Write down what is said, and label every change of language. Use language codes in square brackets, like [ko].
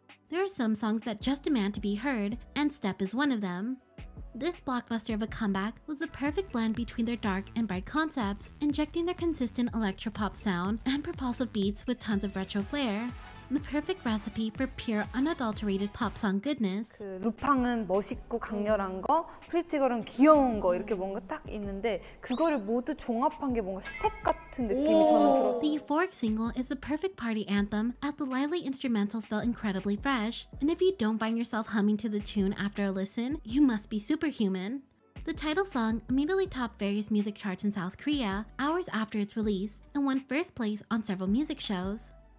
[en] There are some songs that just demand to be heard, and Step is one of them. This blockbuster of a comeback was the perfect blend between their dark and bright concepts, injecting their consistent electropop sound and propulsive beats with tons of retro flair. The perfect recipe for pure, unadulterated pop song goodness. [ko] 그 루팡은 멋있고 강렬한 거, 프리티걸은 귀여운 거 이렇게 뭔가 딱 있는데 그거를 모두 종합한 게 뭔가 스텝 같은 느낌이 저는 들었어요. [en] The Euphoric single is the perfect party anthem as the lively instrumentals felt incredibly fresh. And if you don't find yourself humming to the tune after a listen, you must be superhuman. The title song immediately topped various music charts in South Korea hours after its release and won first place on several music shows.